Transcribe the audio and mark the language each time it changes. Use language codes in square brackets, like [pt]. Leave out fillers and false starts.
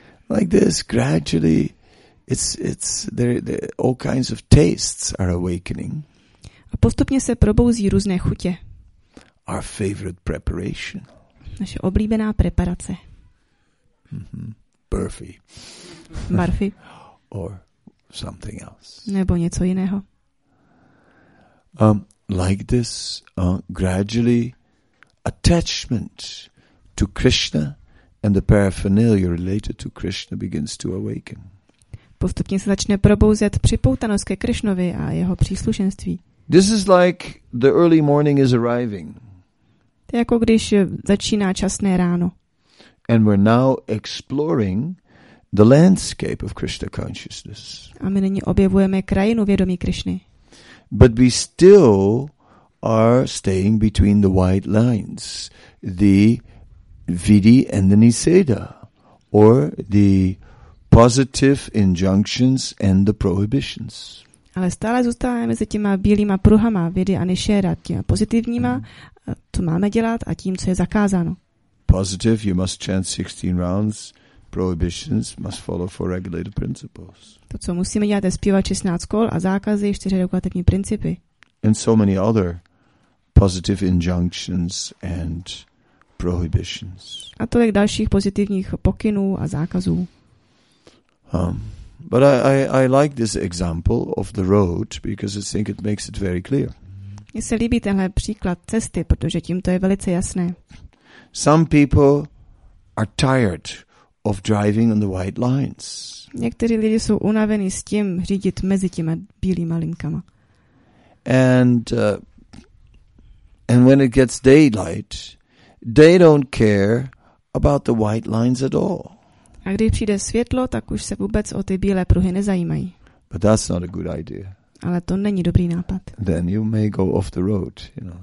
[en] Like this, gradually, there all kinds of tastes are awakening. [cs] A postupně se probouzí různé chutě. [en] Our favorite preparation. [cs] Naše oblíbená preparace. [en] Barfi. [cs] Barfi. [en] Or something else. [cs] Nebo něco jiného. [en] Like this, gradually, attachment to Krishna and the paraphernalia related to Krishna begins to awaken. [cs] Postupně se začne probouzet připoutanost ke Krišnovi a jeho příslušenství. [en] This is like the early morning is arriving. [cs] To je jako když začíná časné ráno. [en] And we're now exploring the landscape of Krishna consciousness. [cs] A my nyní objevujeme krajinu vědomí Krišny. [en] But we still are staying between the white lines, the vidi and the niseda, or the positive injunctions and the prohibitions. [cs] Ale stále zůstáváme mezi těma bílýma pruhama vidi a niseda, těma pozitivníma, co máme dělat a tím, co je zakázáno. [en] Positive, you must chant 16 rounds. Prohibitions must follow four regulative principles. [cs] To, co musíme dělat, je zpívat 16 kol a zákazy, 4 regulativní principy. [en] And so many other positive injunctions and prohibitions. [cs] A tolik dalších pozitivních pokynů a zákazů. [en] But I like this example of the road because I think it makes it very clear. [cs] Mně se líbí tenhle příklad cesty, protože tím to je velice jasné. [en] Some people are tired of driving on the white lines. [cs] Někteří lidi jsou unavení s tím řídit mezi těma bílýma linkama. [en] And when it gets daylight, they don't care about the white lines at all. [cs] A když přijde světlo, tak už se vůbec o ty bílé pruhy nezajímají. [en] But that's not a good idea. [cs] Ale to není dobrý nápad. [en] Then you may go off the road, you know.